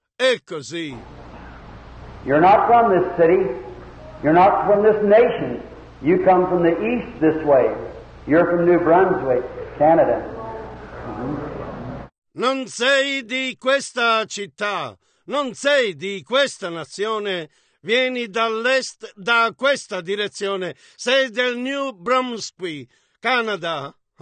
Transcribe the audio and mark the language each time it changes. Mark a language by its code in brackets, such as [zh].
[it] È così. [en] You're not from this city. You're not from this nation. You come from the east this way. You're from New Brunswick. Canada. [it] Non sei di questa città, non sei di questa nazione, vieni dall'est, da questa direzione, sei del New Brunswick, Canada.